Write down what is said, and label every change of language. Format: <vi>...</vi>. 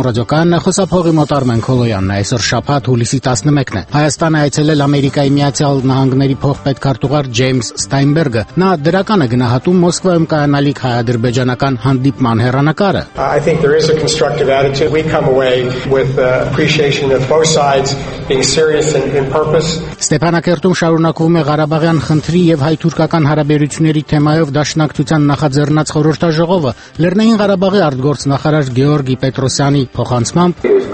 <hy>ռադիոկանն է, խոսափողի մոտ Արմեն Քոլոյանն է, այսօր շաբաթ, հուլիսի 11-ն է։ Հայաստանը այցելել Ամերիկայի Միացյալ Նահանգների փոխպետքարտուղար Ջեյմս Ստայնբերգը։ Նա դրական է գնահատում Մոսկվայում կայանալիք հայ-ադրբեջանական հանդիպման հեռանակարը։</hy> <en>I think there is a constructive attitude. We come away with appreciation of both sides being serious and in purpose.</en> <hy>Ստեփանակերտում շարունակվում է Ղարաբաղյան խնդրի եւ հայ-թուրքական հարաբերությունների թեմայով դաշնակցության նախաձեռնած խորհրդաժողովը Լեռնային Ղարաբաղի արտգործնախարար Գեորգի Պետրոսյանի փոխանցմամբ</hy>